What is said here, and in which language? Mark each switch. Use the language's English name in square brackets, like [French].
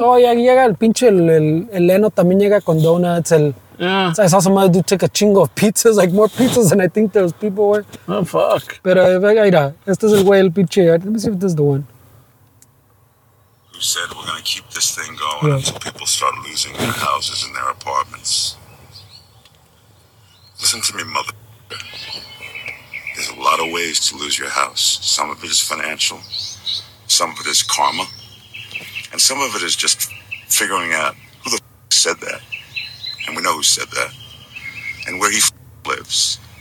[Spanish] Oh yeah, llega el pinche el Leno también llega con donuts. [English] Yeah. I saw some other dude take a chingo of pizzas, like more pizzas than I think there's people were. Oh fuck. [Spanish] Pero mira, este es el güey el pinche. [English] Let me see if this is the one. Said we're going to keep this thing going until people start losing their houses and their apartments. Listen to me, mother. There's a lot of ways to lose your house. Some of it is financial, some of it is karma, and some of it is just figuring out who the said that, and we know who said that, and where he lives.